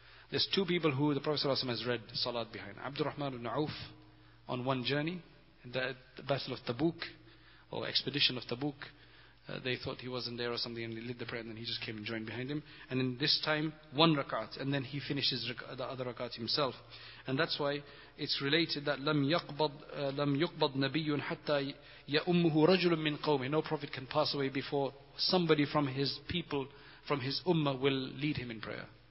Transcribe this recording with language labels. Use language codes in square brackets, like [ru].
[en] There's two people who the Prophet ﷺ has read salat behind. Abdurrahman ibn Auf, on one journey, the battle of Tabuk, or expedition of Tabuk, they thought he wasn't there or something, and they lit the prayer, and then he just came and joined behind him. And then this time, one rakat, and then he finishes the other rakat himself. And that's why it's related that [ar] لَمْ يُقْبَضْ نَبِيٌّ حَتَّى يَأُمُّهُ رَجُلٌ مِّنْ قَوْمِهِ. [en] No prophet can pass away before somebody from his people, from his ummah, will lead him in prayer.